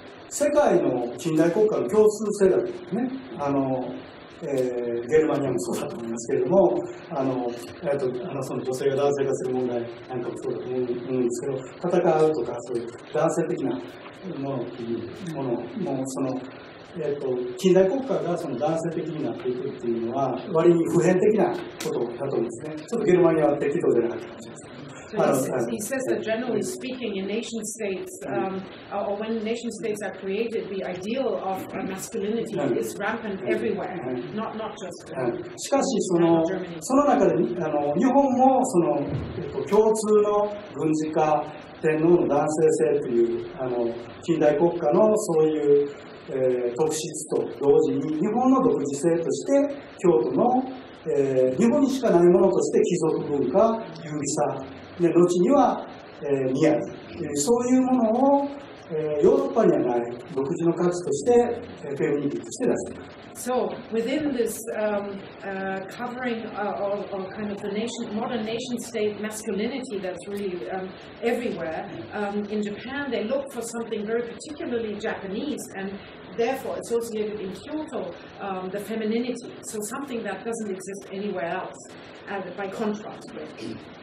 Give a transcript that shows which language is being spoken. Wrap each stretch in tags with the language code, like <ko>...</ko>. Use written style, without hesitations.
<ja>世界の近代国家の共通性だというね、ゲルマニアもそうだと思いますけれども、その女性が男性化する問題なんかもそうだと思うんですけど、戦うとか、そういう男性的なものっていうものも、その、近代国家がその男性的になっていくっていうのは、割に普遍的なことだと思うんですね。ちょっとゲルマニアは適当じゃなかった感じです。</ja> <en>He says that generally speaking, in nation states, or when nation states are created, the ideal of masculinity is rampant everywhere, not just</en> <ja>しかしその、その中で日本もその共通の軍事化、天皇の男性性という近代国家のそういう、特質と同時に、日本の独自性として京都の、日本にしかないものとして貴族文化、優美さ。で後には、ミヤビ、そういうものを、ヨーロッパにはない独自の価値として、フェミニティとして出す。</ja> <en>So, within this covering or kind of the nation, modern nation state masculinity that's really everywhere, in Japan they look for something very particularly Japanese and therefore associated in Kyoto, the femininity, so something that doesn't exist anywhere else, by contrast with.</en>